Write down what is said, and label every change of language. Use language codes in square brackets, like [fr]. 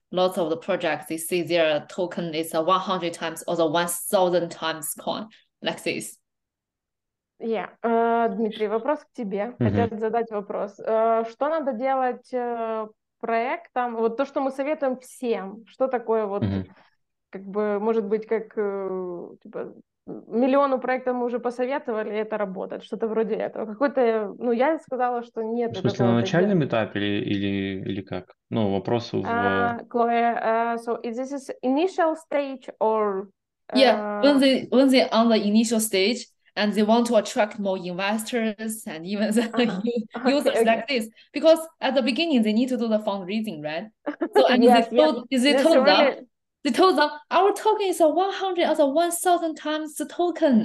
[en] Lots of the projects, they see their token is 100 times or the 1,000 times coin, like this. [ru] Yeah, Дмитрий, вопрос к тебе. Хотел задать вопрос. Что надо делать проектам? Вот то, что мы советуем всем. Что такое вот, как бы, может быть, как типа миллиону проектов мы уже посоветовали, это работает. Что-то вроде этого. Какой-то, ну, я сказала, что нет. В смысле, на начальном этапе или как? Ну, вопрос в... [en] Chloe, so is this is initial stage or... Yeah, when they on the initial stage, and they want to attract more investors and even the users like this. Because at the beginning, they need to do the fundraising, right? So and they told them, our token is 100 or 1,000 times the token.